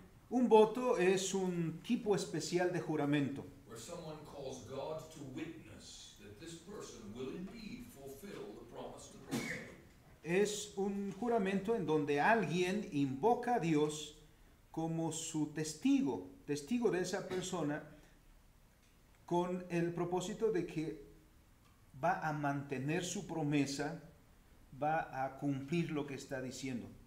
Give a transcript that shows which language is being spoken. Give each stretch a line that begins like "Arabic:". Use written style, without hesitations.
Spanish: Un voto es un tipo especial de juramento.
English: Where someone calls God to witness that this person will indeed fulfill the promise to prophet.
Spanish: Es un juramento en donde alguien invoca a Dios como su testigo, testigo de esa persona, con el propósito de que va a mantener su promesa, va a cumplir lo que está diciendo.